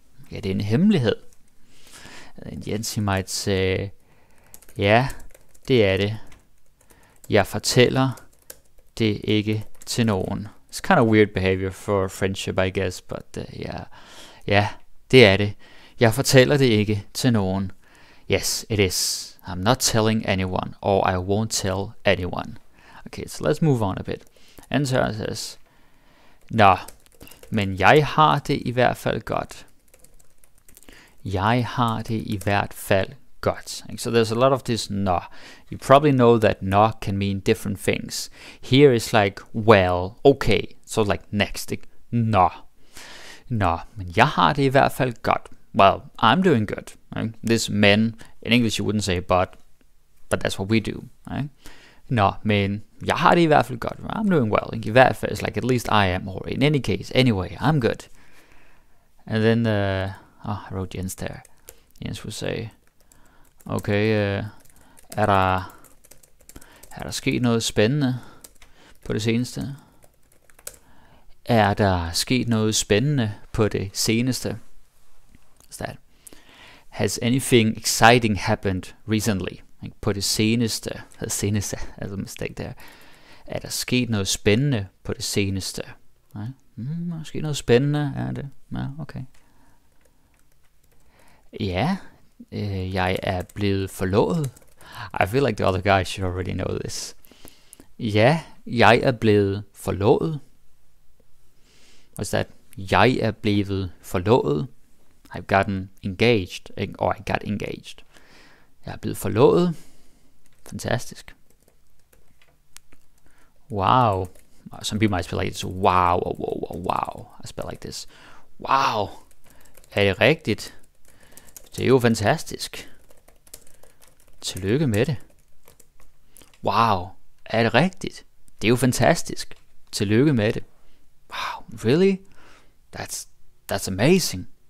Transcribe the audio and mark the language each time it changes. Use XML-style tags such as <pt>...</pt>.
<da>Ja, det er en hemmelighed.</da> <en>And Jens, he might say,</en> <da>ja, det er det. Jeg fortæller det ikke til nogen.</da> <en>It's kind of weird behavior for friendship, I guess, but yeah.</en> <da>Ja, det er det. Jeg fortæller det ikke til nogen.</da> <en>Yes, it is. I'm not telling anyone, or I won't tell anyone. Okay, so let's move on a bit. And so it says,</en> <da>nå, men jeg har det i hvert fald godt. Jeg har det i hvert fald godt.</da> <en>So there's a lot of this nå. You probably know that nå can mean different things. Here is like, well, okay. So like next, nå.</en> <da>Nå, men jeg har det i hvert fald godt.</da> <en>Well, I'm doing good. Right? This men, in English you wouldn't say but that's what we do. Right?</en> <da>Nå, men jeg har det i hvert fald godt.</da> <en>I'm doing well. I hvert fald, it's like at least I am, or in any case, anyway, I'm good. And then, I wrote Jens there. Jens would say, okay,</en> <da>er der sket noget spændende på det seneste? Er der sket noget spændende på det seneste?</da> <en>That. Has anything exciting happened recently? Like, på det seneste. Det seneste. That's a mistake there.</en> <da>Er der sket noget spændende på det seneste? Nej. Er der sket noget spændende? Er det? Ja, okay. Ja, jeg er blevet forlovet.</da> <en>I feel like the other guy should already know this.</en> <da>Ja, jeg er blevet forlovet.</da> <en>What's that?</en> <da>Jeg er blevet forlovet.</da> <en>I've gotten engaged, or I got engaged. Jeg er blevet forlovet.</en> <da>Fantastisk.</da> <en>Wow. Some people might spell like this, wow, oh, wow, oh, wow. I spell like this. Wow.</en> <da>Er det rigtigt? Det er jo fantastisk. Tillykke med det. Wow, er det rigtigt? Det er jo fantastisk. Tillykke med det.</da> <en>Wow, really? That's amazing.</en>